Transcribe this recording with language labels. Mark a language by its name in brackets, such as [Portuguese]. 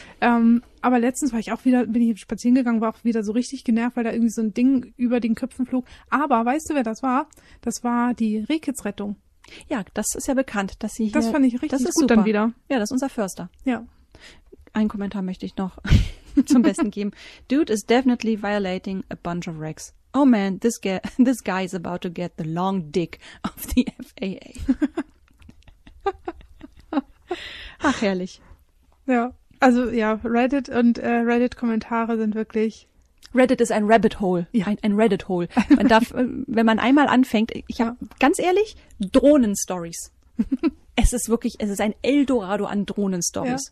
[German] Aber letztens war ich auch wieder, bin ich spazieren gegangen, war auch wieder so richtig genervt, weil da irgendwie so ein Ding über den Köpfen flog. Aber weißt du, wer das war? Das war die Rehkitzrettung. Ja, das ist ja bekannt, dass sie hier... Das fand ich richtig gut super. Dann wieder. Ja, das ist unser Förster. Ja. Einen Kommentar möchte ich noch zum Besten geben. [English] Dude is definitely violating a bunch of regs. Oh man, this guy is about to get the long dick of the FAA. [German] Ach, herrlich. Ja, also ja, Reddit und Reddit-Kommentare sind wirklich... Reddit ist ein Rabbit Hole. Ja. Ein Reddit Hole. Man darf, wenn man einmal anfängt, ich habe ganz ehrlich, Drohnen-Stories. Es ist ein Eldorado an Drohnen-Stories.